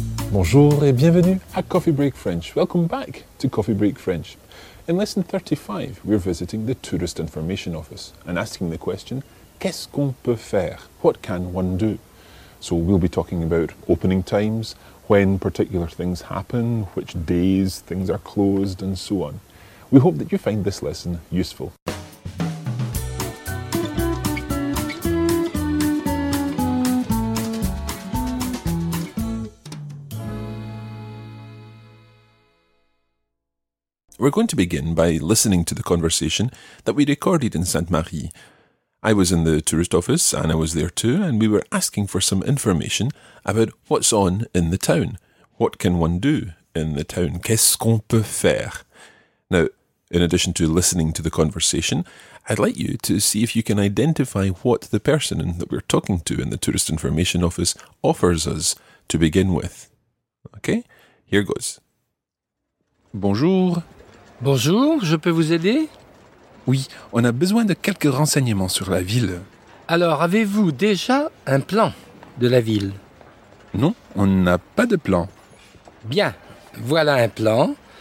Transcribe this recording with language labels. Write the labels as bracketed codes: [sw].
[fr] Bonjour et bienvenue à Coffee Break French. [en] Welcome back to Coffee Break French. In lesson 35, we're visiting the Tourist Information Office and asking the question, [fr] qu'est-ce qu'on peut faire? [en] What can one do? So we'll be talking about opening times, when particular things happen, which days things are closed, and so on. We hope that you find this lesson useful. We're going to begin by listening to the conversation that we recorded in Sainte-Marie. I was in the tourist office, Anna was there too, and we were asking for some information about what's on in the town. What can one do in the town? [fr] Qu'est-ce qu'on peut faire? [en] Now, in addition to listening to the conversation, I'd like you to see if you can identify what the person that we're talking to in the tourist information office offers us to begin with. Okay, here goes. [fr] Bonjour. Bonjour, je peux vous aider? Oui, on a besoin de quelques renseignements sur la ville. Alors, avez-vous déjà un plan de la ville? Non, on n'a pas de plan. Bien, voilà un plan.